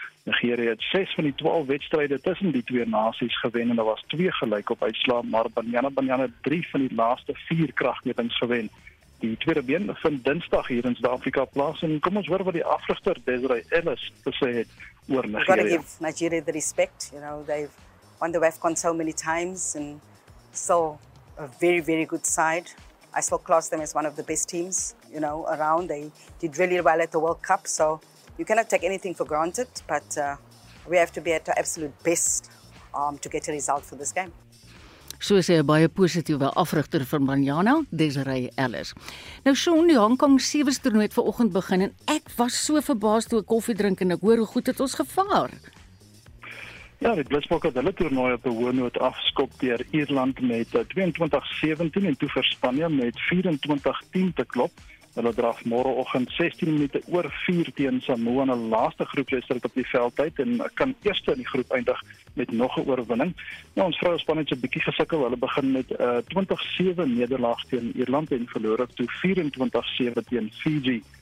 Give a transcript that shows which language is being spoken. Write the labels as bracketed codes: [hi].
[af] Nigeria het 6 van die 12 wedstryde tussen die twee nasies gewen en daar was 2 gelyk op uitslae, maar Banyana Banyana 3 van die laaste 4 kragmetings gewen. Die tweede been vind Dinsdag hier in Suid-Afrika plaas en kom ons hoor wat die afrigter Desiree Ellis gesê het oor Nigeria. [en] Gotta give Nigeria the respect, you know, they've won the WAFCON so many times and still a very, very good side. I still class them as one of the best teams, you know, around. They did really well at the World Cup, so you cannot take anything for granted, but we have to be at our absolute best to get a result for this game. [af] So sê 'n baie positiewe afrigter van Banyana, Desiree Ellis. Nou Sean, die Hong Kong 7's toernooi het vanoggend begin en ek was so verbaas toe ek koffie drink en ek hoor hoe goed het ons gevaar. Ja, die Blitsbokke het hulle toernooi op 'n hoë noot afskop deur Ierland met 22-17 en toe vir Spanje met 24-10 te klop. Hulle draf môreoggend 16 minute oor 4 teen Samoa in die laaste groepswedstryd op die veldtyd en kan eerste in die groep eindig met nog 'n oorwinning. Nou ons vroue span het 'n bietjie gesukkel. Hulle begin met 20-7 nederlaag teen Ierland en verloor het toe 24-7 teen Fiji.